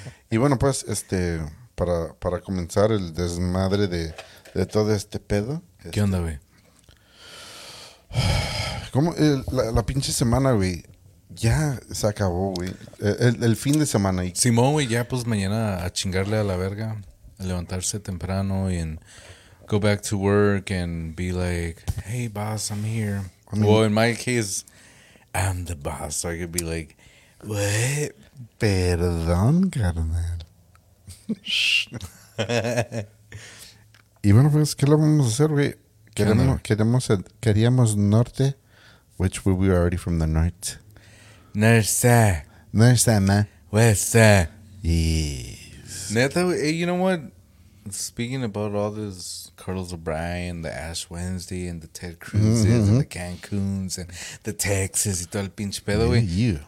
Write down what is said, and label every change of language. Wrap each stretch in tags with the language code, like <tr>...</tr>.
<es>Y bueno, pues, para comenzar el desmadre de todo este pedo. ¿Qué onda, güey? ¿Cómo? La pinche semana, güey. Ya se acabó, güey. El fin de semana. Simón, güey, ya pues mañana a chingarle a la verga. A levantarse temprano y</es> <en>go back to work and be like, hey, boss, I'm here. I mean, well, in my case, I'm the boss. So I could be like, what?</en> <es>Perdón, carnal. Y bueno, pues, ¿qué le vamos a hacer, güey? Queríamos norte,</es> <en>which we were already from the north. Nurse, man. What's yes. Neta, you know what? Speaking about all this Carlos O'Brien, the Ash Wednesday, and the Ted Cruz's, and the Cancun's, and the Texas,</en> <es>y todo el pinche pedo, güey.</es>